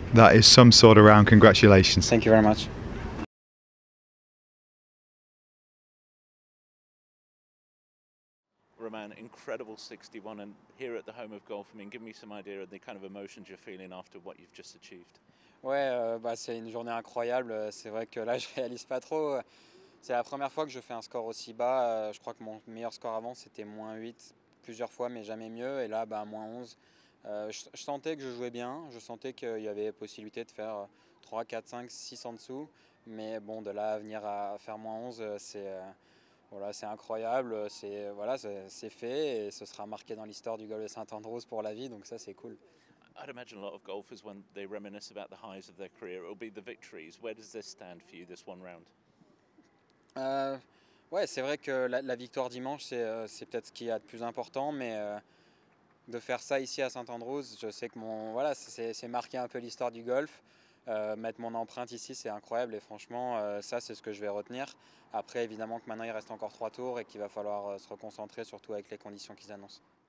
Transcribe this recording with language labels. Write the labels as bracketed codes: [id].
[en] That is some sort of round. Congratulations. Thank you very much. Romain, incredible 61, and here at the Home of Golf, I mean, give me some idea of the kind of emotions you're feeling after what you've just achieved. [fr] Ouais, bah c'est une journée incroyable. C'est vrai que là, je réalise pas trop. C'est la première fois que je fais un score aussi bas. Je crois que mon meilleur score avant, c'était moins 8 plusieurs fois, mais jamais mieux. Et là, bah, moins 11. Je sentais que je jouais bien, je sentais qu'il y avait possibilité de faire 3, 4, 5, 6 en dessous. Mais bon, de là à venir à faire moins 11, c'est incroyable, c'est fait et ce sera marqué dans l'histoire du golf de Saint-Andrews pour la vie, donc ça c'est cool. [en] I'd imagine a lot of golfers, when they reminisce about the highs of their career, it'll be the victories. Where does this stand for you, this one round? [fr] Ouais, c'est vrai que la victoire dimanche, c'est peut-être ce qu'il y a de plus important, mais de faire ça ici à Saint-Andrews, je sais que c'est marqué un peu l'histoire du golf. Mettre mon empreinte ici, c'est incroyable et franchement, ça c'est ce que je vais retenir. Après, évidemment que maintenant il reste encore 3 tours et qu'il va falloir se reconcentrer, surtout avec les conditions qu'ils annoncent.